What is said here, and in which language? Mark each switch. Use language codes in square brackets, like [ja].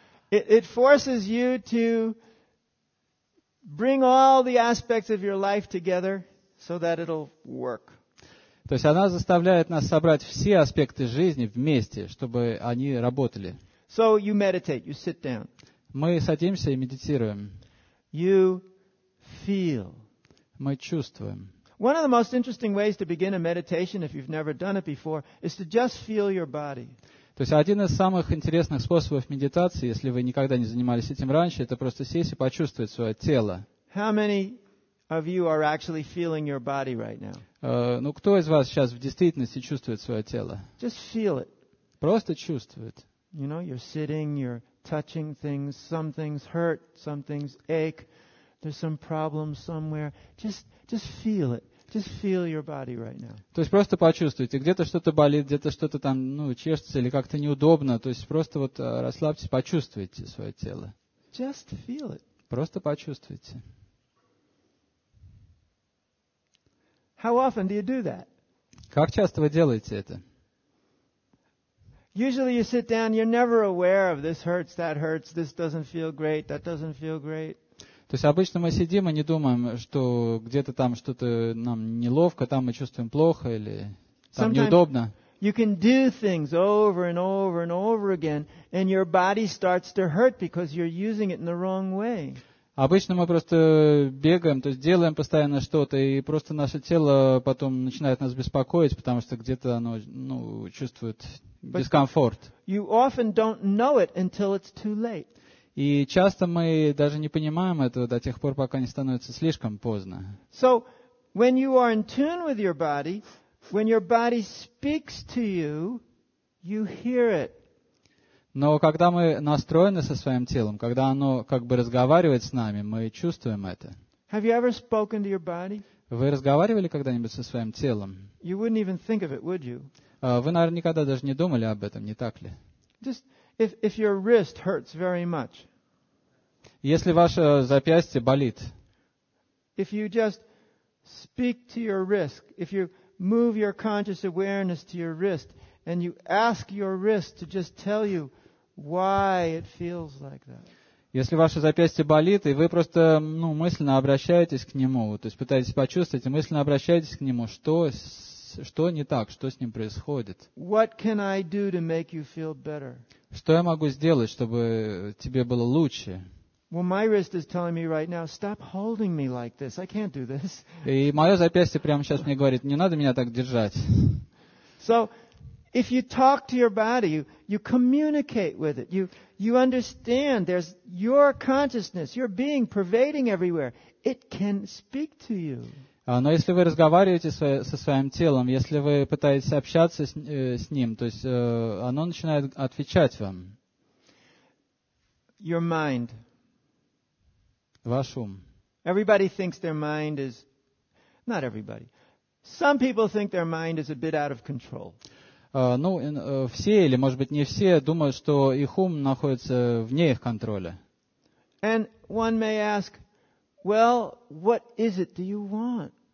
[en] It forces you to bring all the aspects of your life together so that it'll work. [ru] То есть она заставляет нас собрать все аспекты жизни вместе, чтобы они работали. [en] So you meditate, you sit down. [ru] Мы садимся и медитируем. [en] You feel. [ru] Мы чувствуем. [en] One of the most interesting ways to begin a meditation, if you've never done it before, is to just feel your body. [ru] То есть один из самых интересных способов медитации, если вы никогда не занимались этим раньше, это просто сесть и почувствовать свое тело. [en] How many of you are actually feeling your body right now? [ru] Ну, кто из вас сейчас в действительности чувствует свое тело? [en] Just feel it. [ru] Просто чувствует. [en] You know, you're sitting, you're touching things, some things hurt, some things ache, there's some problem somewhere. Just feel it. Just feel your body right now. [ru] То есть просто почувствуйте, где-то что-то болит, где-то что-то там, ну, чешется или как-то неудобно. То есть просто вот расслабьтесь, почувствуйте свое тело. [en] Just feel it. [ru] Просто почувствуйте. [en] How often do you do that? [ru] Как часто вы делаете это? [en] Usually you sit down, you're never aware of this hurts, that hurts, this doesn't feel great, that doesn't feel great. [ru] То есть обычно мы сидим и не думаем, что где-то там что-то нам неловко, там мы чувствуем плохо или там неудобно. [en] You can do things over and over and over again, and your body starts to hurt because you're using it in the wrong way. [ru] Обычно мы просто бегаем, то есть делаем постоянно что-то, и просто наше тело потом начинает нас беспокоить, потому что где-то оно, ну, чувствует дискомфорт. [en] You often don't know it until it's too late. [ru] И часто мы даже не понимаем этого до тех пор, пока не становится слишком поздно. [en] So, when you are in tune with your body, when your body speaks to you, you hear it. [ru] Но когда мы настроены со своим телом, когда оно как бы разговаривает с нами, мы чувствуем это. [en] Have you ever spoken to your body? [ru] Вы разговаривали когда-нибудь со своим телом? [en] You wouldn't even think of it, would you? [ru] Вы, наверное, никогда даже не думали об этом, не так ли? [en] Just if your wrist hurts very much. [ru] Если ваше запястье болит. [en] If you just speak to your wrist, if you move your conscious awareness to your wrist, and you ask your wrist to just tell you why it feels like that. [ru] Если ваше запястье болит, и вы просто, ну, мысленно обращаетесь к нему, то есть пытаетесь почувствовать, мысленно обращаетесь к нему, что не так, что с ним происходит? [en] What can I do to make you feel better? [ru] Что я могу сделать, чтобы тебе было лучше? [en] Well, my wrist is telling me right now, stop holding me like this. I can't do this. [ru] И мое запястье прямо сейчас мне говорит, не надо меня так держать. [en] So, if you talk to your body, you communicate with it. You understand there's your consciousness, your being pervading everywhere. It can speak to you. [ru] Но если вы разговариваете со своим телом, если вы пытаетесь общаться с ним, то есть оно начинает отвечать вам. [en] Your mind. [ru] Ваш ум. [en] Everybody thinks their mind is... Not everybody. Some people think their mind is a bit out of control. [ru] Все, или, может быть, не все, думают, что их ум находится вне их контроля. [en] And one may ask, well, what is it do you want?